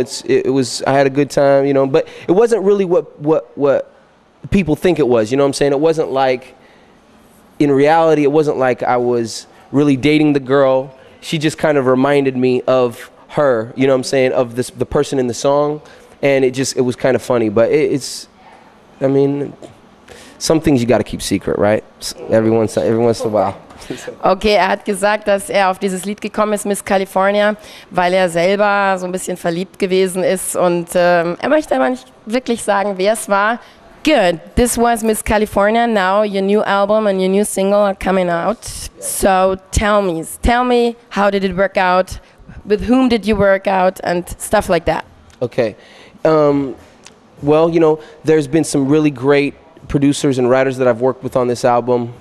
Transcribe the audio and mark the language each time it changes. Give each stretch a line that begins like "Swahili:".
English: It was I had a good time, you know, but it wasn't really what people think it was, you know what I'm saying? It wasn't like, in reality, it wasn't like I was really dating the girl. She just kind of reminded me of her, you know what I'm saying, of this, the person in the song. And it was kind of funny, but it's, I mean, some things you got to keep secret, right? Every once in a while.
German: Okay, er hat gesagt, dass er auf dieses Lied gekommen ist, Miss California, weil er selber so ein bisschen verliebt gewesen ist und er möchte aber nicht wirklich sagen, wer es war.
English: Good, this was Miss California. Now your new album and your new single are coming out. So tell me, how did it work out? With whom did you work out and stuff like that? Okay, well, you know, there's been some really great producers and writers that I've worked with on this album.